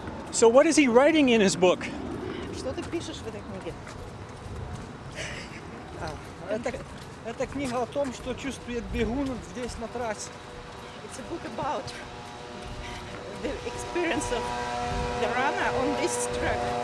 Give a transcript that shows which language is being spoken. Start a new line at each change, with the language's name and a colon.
English: So what is he writing in his book?
Russian: Что ты пишешь в этой книге? Это книга о том, что чувствует бегун здесь на трассе.
English: It's a book about the experience of the runner on this track.